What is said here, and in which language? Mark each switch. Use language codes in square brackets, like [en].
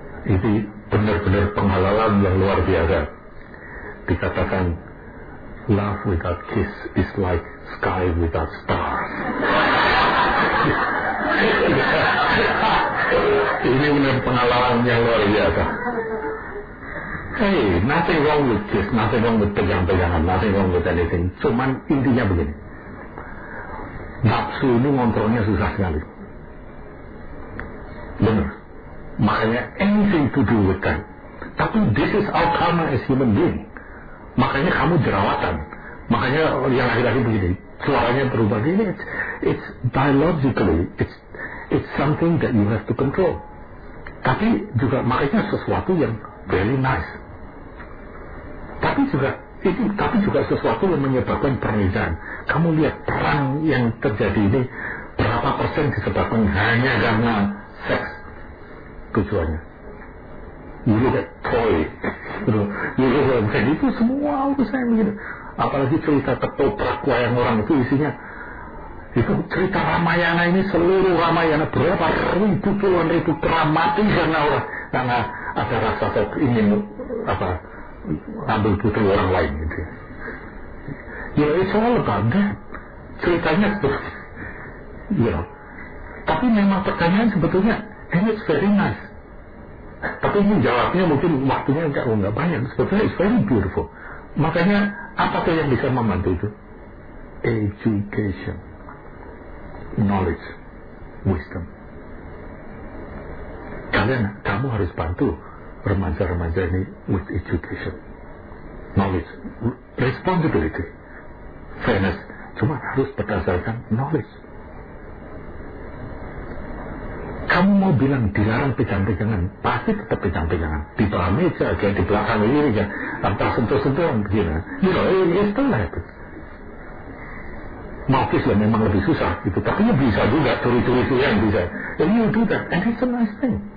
[id] Ini benar-benar penghalalan yang luar biasa. Dikatakan [en] love without kiss is like sky without stars. [id] Ini benar pengalaman yang luar biasa. [en] Hey, nothing wrong with kiss, nothing wrong with pegang-pegangan, nothing wrong with anything. [id] Cuman intinya begini, nafsu ini ngontrolnya susah sekali. Benar. [en] Makanya anything to do with that. Tapi this is our karma as human being. [id] Makanya kamu jerawatan. Makanya yang akhir-akhir begini, suaranya berubah begini. [en] It's biologically, it's something that you have to control. [id] tapi juga makanya sesuatu yang [en] very nice. [id] Tapi juga sesuatu yang menyebabkan perbedaan. Kamu lihat perang yang terjadi ini, berapa persen disebabkan hanya karena seks tujuannya. [en] You look at toy, you look at that. [id] Itu semua urusan begini. Apalagi cerita ketoprak wayang orang itu isinya, itu cerita Ramayana ini, seluruh Ramayana berapa ribu puluhan ribu teramati karena orang, karena ada rasa ingin apa, ambil putri orang lain gitu. [en] Ya it's all about that. [id] Ceritanya tuh, ya. Tapi memang pertanyaan sebetulnya, [en] and it's very nice. [id] Tapi ini jawabnya mungkin waktunya enggak banyak. [en] Sebetulnya it's very beautiful. [id] Makanya apakah yang bisa membantu itu? [en] Education, knowledge, wisdom. [id] Kamu harus bantu remaja-remaja ini [en] with education, knowledge, responsibility, fairness. [id] Cuma harus berdasarkan knowledge. Kamu mau bilang dilarang pegang-pegangan, pasti tetap pegang-pegangan. Di bawah meja, kayak di belakang ini, ya, entah sentuh-sentuh, gimana. [en] You know, it's still happening. [id] Malkis lah memang lebih susah, itu. Tapi ya bisa juga, curi-curi itu yang bisa. [en] And you do that, and it's a nice thing.